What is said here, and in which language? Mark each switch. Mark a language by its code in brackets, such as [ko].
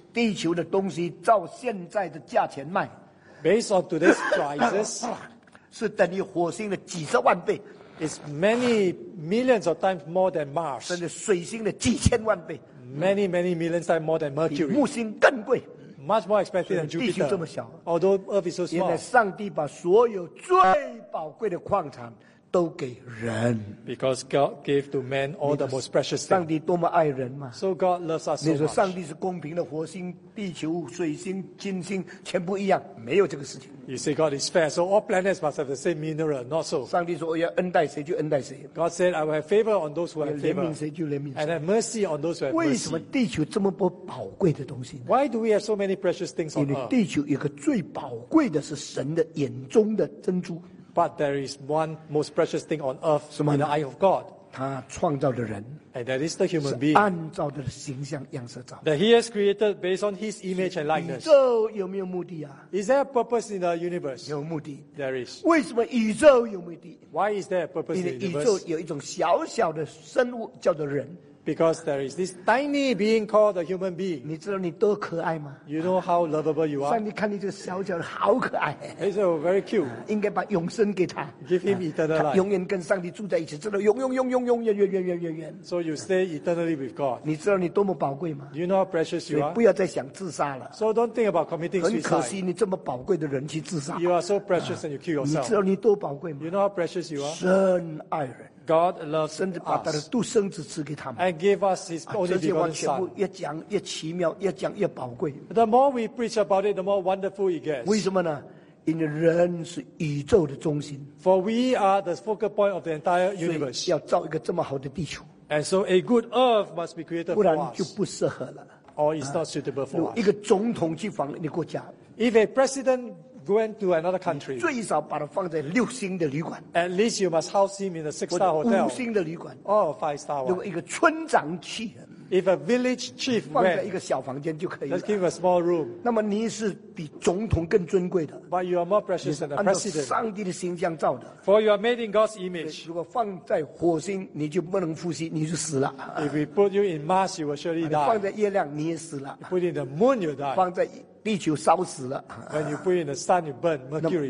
[zh] 地球的东西照现在的价钱卖 [en] ，based on today's prices, [zh] 是等于火星的几十万倍。 [en] It's many millions of times more than Mars. [zh] 甚至水星的几千万倍。 [en] Many, many millions times more than Mercury. [zh] 比木星更贵。 [en] Much more expensive than Jupiter. [zh] 地球这么小。 [en] Although Earth is so small. [zh] 原来上帝把所有最宝贵的矿产都给人。 [en] Because God gave to man all the most precious things. [zh] 上帝多么爱人嘛。 [en] So God loves us so much. [zh] 你说上帝是公平的，火星、地球、水星、金星全部一样，没有这个事情。 [en] You say God is fair, so all planets must have the same mineral, not so. [zh] 上帝说我要恩待谁就恩待谁。 [en] God said I will have favor on those who have favor. [zh] 怜悯谁就怜悯谁。 [en] And have mercy on those who have mercy. [zh] 为什么地球这么多宝贵的东西呢？ [en] Why do we have so many precious things on earth? [zh] 因为地球有个最宝贵的是神的眼中的珍珠。 [en] But there is one most precious thing on earth in the eye of God. [zh] 他创造的人。 [en] And that is the human being. [zh] 按照的形象样式造。 [en] That he has created based on his image and likeness. [zh] 宇宙有没有目的啊？ [en] Is there a purpose in the universe? [zh] 有目的。 [en] There is. [zh] 为什么宇宙有目的？ [en] Why is there a purpose in the universe? [zh] 因为宇宙有一种小小的生物叫做人。 [en] Because there is this tiny being called a human being. [zh] 你知道你多可爱吗？ [en] You know how lovable you are. [zh] 上帝看你这个小脚好可爱。 [en] He's so very cute. [zh] 应该把永生给他。 [en] Give him eternal life. [zh] 永远跟上帝住在一起，知道永永永永永远远远远远远。 [en] So you stay eternally with God. [zh] 你知道你多么宝贵吗？ [en] You know how precious you are. [zh] 不要再想自杀了。 [en] So don't think about committing suicide. [zh] 很可惜你这么宝贵的人去自杀。 [en] You are so precious and you kill yourself. [zh] 你知道你多宝贵吗？ [en] You know how precious you are. [zh] 神爱人。 [en] God loves us. [zh] 甚至把他的独生子赐给他们。 [en] And give us His only begotten Son. [zh] 这些完全部越讲越奇妙，越讲越宝贵。 [en] The more we preach about it, the more wonderful it gets. [zh] 为什么呢？因为人是宇宙的中心。 [en] For we are the focal point of the entire universe. [zh] 要造一个这么好的地球。 [en] And so a good earth must be created for us. [zh] 不然就不适合了。 [en] Or it's not suitable for us. [zh] 一个总统去访你国家。 [en] If a president going to another country, [zh] 最少把它放在六星的旅馆。 [en] At least you must house him in a six-star hotel. [zh] 五星的旅馆。 [en] Or five star one. [zh] 如果一个村长去， [en] if a village chief [zh] 放在一个小房间就可以了。 [en] Just give a small room. [zh] 那么你是比总统更尊贵的。 [en] But you are more precious than the president. [zh] 按照上帝的形象造的。 [en] For you are made in God's image. [zh] 如果放在火星，你就不能呼吸，你就死了。 [en] If we put you in Mars, you will surely die. [zh] 放在月亮，你也死了。 [en] Put in the moon, you die. [zh] 放在地球烧死了。 [en] When you put in the sun, you burn mercury.